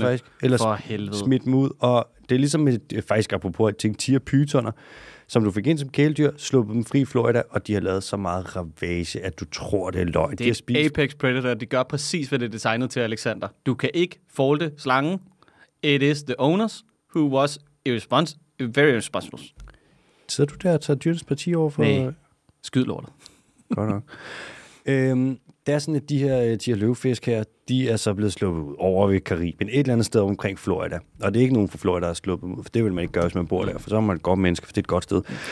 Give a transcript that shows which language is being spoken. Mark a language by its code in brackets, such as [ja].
[da] Faktisk. Eller for helvede. Smidt dem ud. Og det er ligesom faktisk apropos at tænke tigerpytoner, som du fik ind som kæledyr, sluppet dem fri i Florida, og de har lavet så meget ravage, at du tror, det er løgn. Det er de Apex Predator. De gør præcis, hvad det er designet til, Alexander. Du kan ikke folde slangen. [en] It is the owners, who was very irresponsible. [da] Sidder du der og tager dyrenes parti over for... Nej, skyd lortet. Godt nok. Det er sådan, at de her løvefisk her, de er så blevet sluppet ud over ved Karibien, et eller andet sted omkring Florida. Og det er ikke nogen fra Florida, der er sluppet ud, for det vil man ikke gøre, hvis man bor der, for så er man et godt menneske, for det er et godt sted.